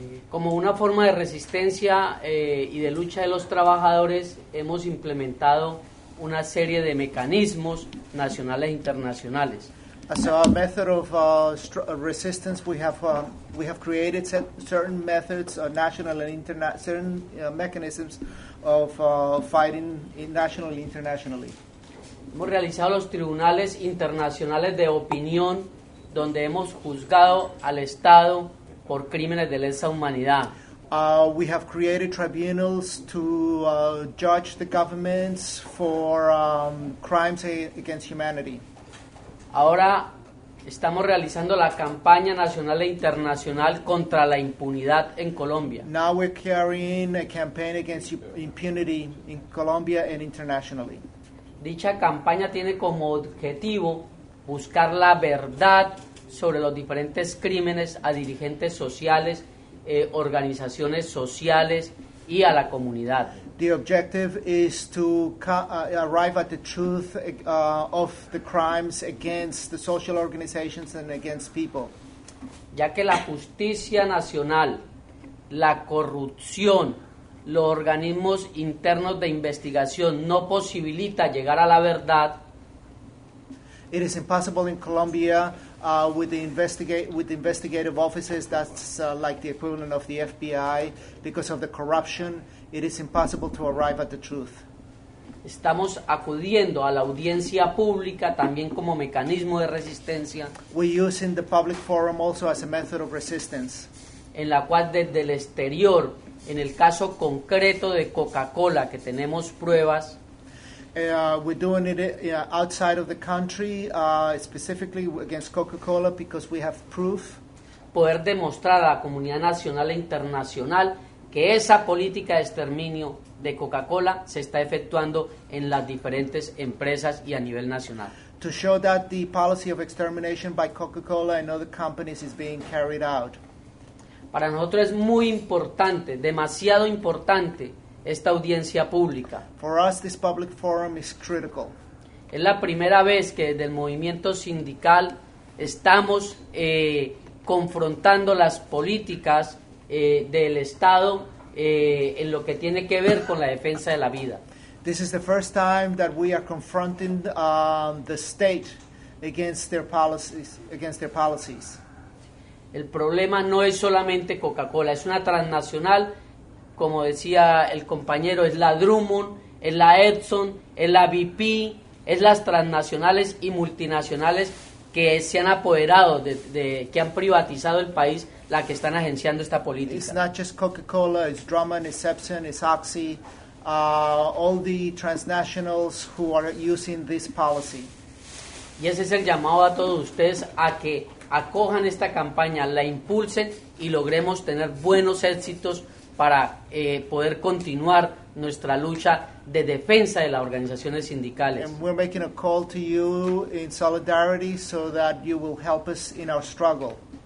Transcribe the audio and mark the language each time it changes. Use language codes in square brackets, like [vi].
[es] Como una forma de resistencia y de lucha de los trabajadores, hemos implementado una serie de mecanismos nacionales e internacionales. [en] As a method of resistance, we have created certain methods, national and international, certain mechanisms of fighting nationally and internationally. [es] Hemos realizado los tribunales internacionales de opinión, donde hemos juzgado al Estado por crímenes de lesa humanidad. [en] We have created tribunals to judge the governments for crimes against humanity. [es] Ahora estamos realizando la campaña nacional e internacional contra la impunidad en Colombia. [en] Now we're carrying a campaign against impunity in Colombia and internationally. [es] Dicha campaña tiene como objetivo buscar la verdad sobre los diferentes crímenes a dirigentes sociales, organizaciones sociales y a la comunidad. [en] The objective is to arrive at the truth of the crimes against the social organizations and against people. [es] Ya que la justicia nacional, la corrupción, los organismos internos de investigación no posibilita llegar a la verdad. [en] It is impossible in Colombia with investigative offices, that's like the equivalent of the FBI, because of the corruption, it is impossible to arrive at the truth. [es] Estamos acudiendo a la audiencia pública también como mecanismo de resistencia. [en] We're using the public forum also as a method of resistance. [es] En la cual desde el exterior, en el caso concreto de Coca-Cola, que tenemos pruebas. [en] We're doing it outside of the country, specifically against Coca-Cola, because we have proof. [es] Poder demostrar a la comunidad nacional e internacional que esa política de exterminio de Coca-Cola se está efectuando en las diferentes empresas y a nivel nacional. [en] To show that the policy of extermination by Coca-Cola and other companies is being carried out. [es] Para nosotros es muy importante, demasiado importante, esta audiencia pública. [en] For us, this public forum is critical. [es] Es la primera vez que desde el movimiento sindical estamos confrontando las políticas del Estado en lo que tiene que ver con la defensa de la vida. [en] This is the first time that we are confronting the state against their policies. [es] El problema no es solamente Coca-Cola, es una transnacional. Como decía el compañero, es la Drummond, es la Edson, es la BP, es las transnacionales y multinacionales que se han apoderado, que han privatizado el país, la que están agenciando esta política. [en] It's not just Coca-Cola, it's Drummond, it's Epson, it's Oxy, all the transnationals who are using this policy. [es] Y ese es el llamado a todos ustedes a que acojan esta campaña, la impulsen y logremos tener buenos éxitos para poder continuar nuestra lucha de defensa de las organizaciones sindicales. [en] And we're making a call to you in solidarity so that you will help us in our struggle.